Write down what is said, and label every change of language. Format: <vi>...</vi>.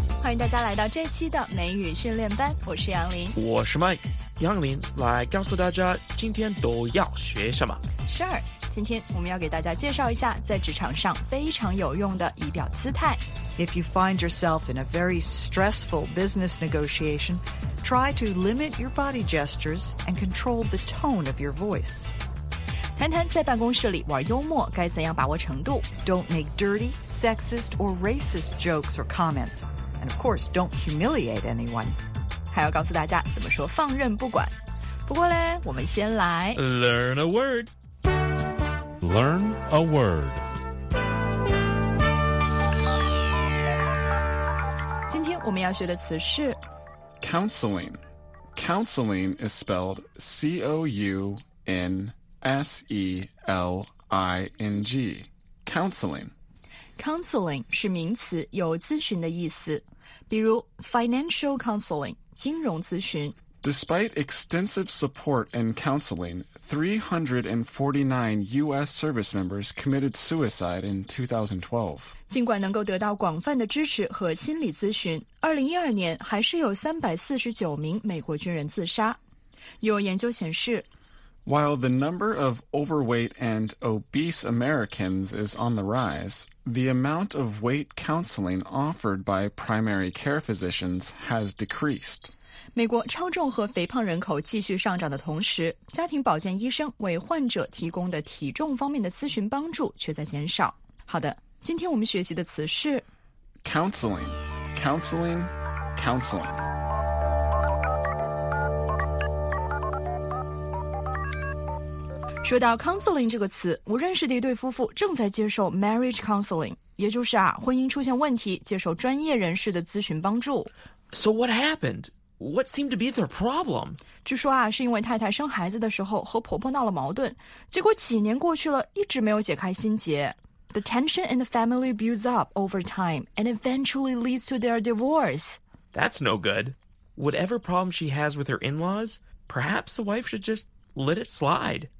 <zh>迎大家来到这期的美语训练班，我是杨林。我是麦，杨林来告诉大家今天都要学什么。是，今天我们要给大家介绍一下在职场上非常有用的仪表姿态。</zh> <en>If you find yourself in a very stressful business negotiation, try to limit your body gestures and control the tone of your voice.</en> <zh>谈谈在办公室里玩幽默该怎样把握程度。</zh> <en>Don't make dirty, sexist, or racist jokes or comments. And of course, don't humiliate anyone.</en> <zh>还要告诉大家怎么说放任不管。不过呢，我们先来</zh> <en>Learn a word. Learn a word.</en> <zh>今天我们要学的词是</zh> <en>Counseling. Counseling is spelled C-O-U-N-S-E-L-I-N-G, counseling.</en> <zh>Counseling 是名词，有咨询的意思。比如 financial counseling, 金融咨询。</zh> <en>Despite extensive support and counseling, 349 U.S. service members committed suicide in 2012.</en> <zh>尽管能够得到广泛的支持和心理咨询，2012年还是有349名美国军人自杀。有研究显示，</zh> <en>While the number of overweight and obese Americans is on the rise, the amount of weight counseling offered by primary care physicians has decreased.</en> <zh>美国超重和肥胖人口继续上涨的同时，家庭保健医生为患者提供的体重方面的咨询帮助却在减少。好的，今天我们学习的词是</zh> <en>counseling, counseling, counseling.</en> <zh>说到 counseling 这个词，我认识的一对夫妇正在接受 marriage counseling， 也就是啊，婚姻出现问题，接受专业人士的咨询帮助。</zh> <en>So what happened? What seemed to be their problem?</en> <zh>据说啊，是因为太太生孩子的时候和婆婆闹了矛盾，结果几年过去了，一直没有解开心结。</zh> <en>The tension in the family builds up over time and eventually leads to their divorce. That's no good. Whatever problem she has with her in-laws, perhaps the wife should just let it slide.</en>